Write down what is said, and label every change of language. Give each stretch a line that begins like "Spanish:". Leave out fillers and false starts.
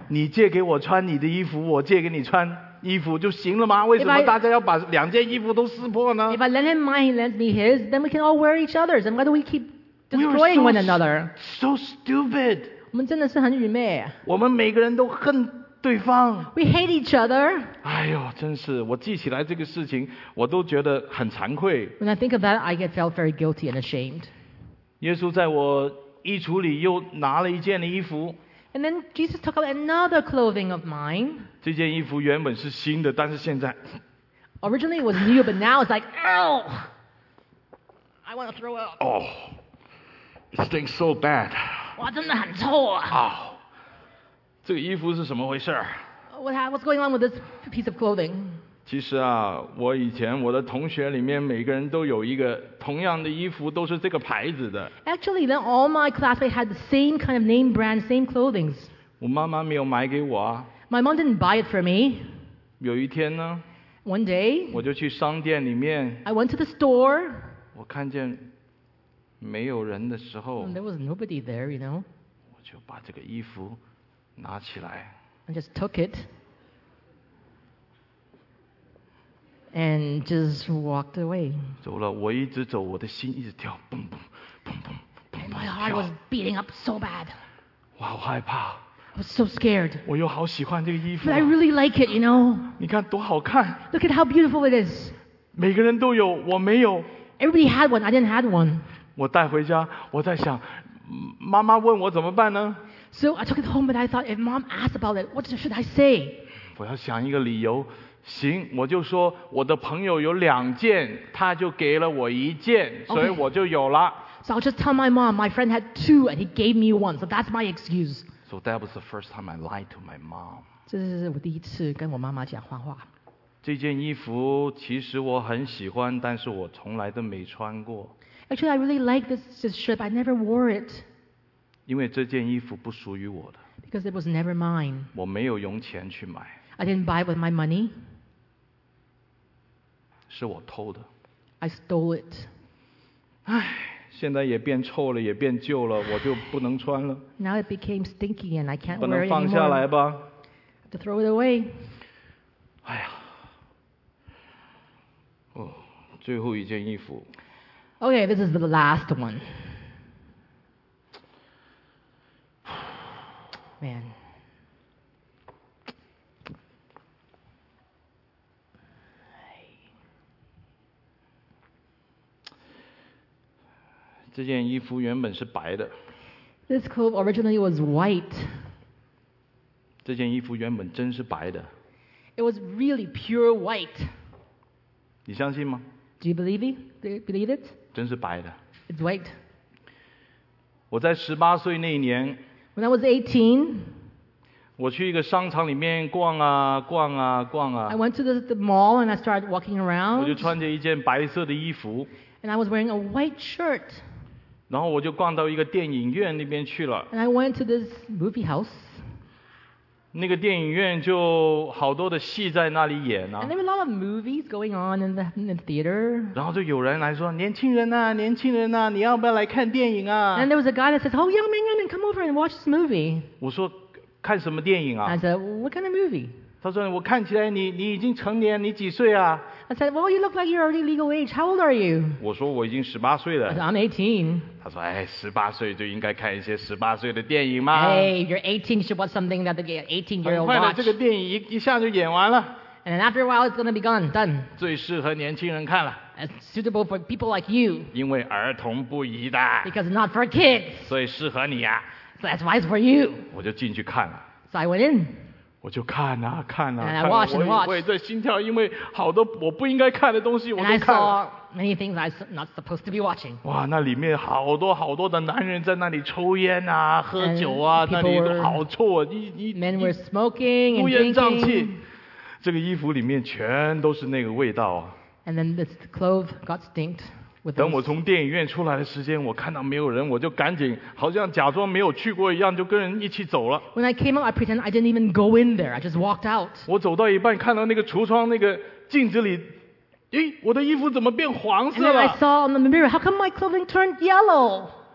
Chinese: 你借给我穿你的衣服我借给你穿衣服就行了吗为什么大家要把两件衣服都撕破呢
English: If I lend him mine, he lends me his, then we can all wear each other's. And why do we keep destroying one another? So stupid.
Chinese: 我们真的是很愚昧我们每个人都恨对方
English: We hate each other.
Chinese: 哎呦，真是，我记起来这个事情，我都觉得很惭愧。
English: When I think of that, I get felt very guilty and ashamed.
Chinese: 耶稣在我衣橱里又拿了一件衣服。
English: And then Jesus took out another clothing of mine.
Chinese: 这件衣服原本是新的，但是现在。
English: Originally it was new, but now it's like, ow! I want to throw up. Oh, it stinks so bad.
Chinese: 哇，真的很臭啊。 Oh. 这个衣服是什么回事
English: What's going on with this piece of clothing?
Chinese: 其实啊，我以前我的同学里面每个人都有一个同样的衣服，都是这个牌子的。
English: Actually, then all my classmates had the same kind of name brand, same clothing.
Chinese: 我妈妈没有买给我啊。
English: My mom didn't buy it for me.
Chinese: 有一天呢
English: ，One day,
Chinese: 我就去商店里面。
English: I went to the store.
Chinese: 我看见没有人的时候
English: ，There was nobody there, you know.
Chinese: 我就把这个衣服。拿起来
English: I just took it and just walked away.
Chinese: 走了，我一直走，我的心一直跳，砰砰砰砰砰。
English: My heart was beating up so bad.
Chinese: 我好害怕。
English: I was so scared.
Chinese: 我又好喜欢这个衣服。
English: But I really like it, you know.
Chinese: 你看多好看。
English: Look at how beautiful it is.
Chinese: 每个人都有，我没有。
English: Everybody had one, I didn't have one.
Chinese: 我带回家，我在想，妈妈问我怎么办呢？
English: So I took it home, but I thought if mom asks about it, what should I say?
Chinese: 我要想一个理由。行，我就说我的朋友有两件，他就给了我一件，所以我就有了。
English: Okay. So I'll just tell my mom, my friend had two and he gave me one, so that's my excuse. So that was the first time I lied to my mom.
Chinese: 这是我第一次跟我妈妈讲谎话。这件衣服其实我很喜欢，但是我从来都没穿过。
English: Actually, I really like this shirt, but I never wore it.
Chinese: 因为这件衣服不属于我的。
English: Because it was never mine.
Chinese: 我没有用钱去买。
English: I didn't buy it with my money.
Chinese: 是我偷的。
English: I stole it.
Chinese: 唉，现在也变臭了，也变旧了，我就不能穿了。
English: Now it became stinky and I can't wear it anymore.
Chinese: 不能放下来吧。
English: To throw it away.
Chinese: 哎呀，哦，最后一件衣服。
English: Okay, this is the last one. Man.
Chinese: 这件衣服原本是白的。
English: This cloth originally was white.
Chinese: 这件衣服原本真是白的。
English: It was really pure white.
Chinese: 你相信吗
English: ？Do you believe it? Do you believe it?
Chinese: 真是白的。
English: It's white.
Chinese: 我在十八岁那一年。
English: When I was 18.
Chinese: 我去一个商场里面逛啊逛啊逛啊。
English: I went to the mall and I started walking around.
Chinese: 我就穿着一件白色的衣服。
English: And I was wearing a white shirt.
Chinese: 然后我就逛到一个电影院那边去了。
English: And I went to this movie house.
Chinese: 那个电影院就好多的戏在那里演啊。
English: And there were a lot of movies going on in the theater.
Chinese: 然后就有人来说，年轻人啊，年轻人啊，你要不要来看电影啊？
English: And there was a guy that says, "Oh, young man, come over and watch this movie."
Chinese: 我说。看什么电影啊
English: I said, what kind of movie?
Chinese: 他说我看起来 你已经成年，你几岁啊？
English: I said, well, you look like you're already legal age. How old are you?
Chinese: 我说我已经十八岁了。
English: I said, I'm 18.
Chinese: 他说哎，十八岁就应该看一些十八岁的电影吗？
English: Hey, you're 18, you should watch something that the 18 year old watch.
Chinese: 很快的，这个电影 一下就演完了。
English: And then after a while, it's going to be gone, done.
Chinese: 最适合年轻人看了。
English: It's suitable for people like you.
Chinese: 因为儿童不宜的。
English: Because not for kids.
Chinese: 所以适合你啊。
English: So that's why it's for you.
Chinese: 我就进去看了。
English: So I went in.
Chinese: 我就看啊看啊。
English: And I watched and watched.
Chinese: 我也在心跳，因为好多我不应该看的东西我都看了。
English: And I saw many things I'm not supposed to be watching.
Chinese: 哇，那里面好多好多的男人在那里抽烟啊，喝酒啊，那里好臭啊，
English: Men were smoking and drinking.
Chinese: 乌烟瘴气。这个衣服里面全都是那个味道啊。
English: And then this clove got stinked with.
Chinese: 等我从电影院出来的时间，我看到没有人，我就赶紧好像假装没有去过一样，就跟人一起走了。
English: When I came out, I pretend I didn't even go in there. I just walked out.
Chinese: 我走到一半，看到那个橱窗那个镜子里，咦，我的衣服怎么变黄色了？
English: And then I saw in the mirror, how come my clothing turned yellow?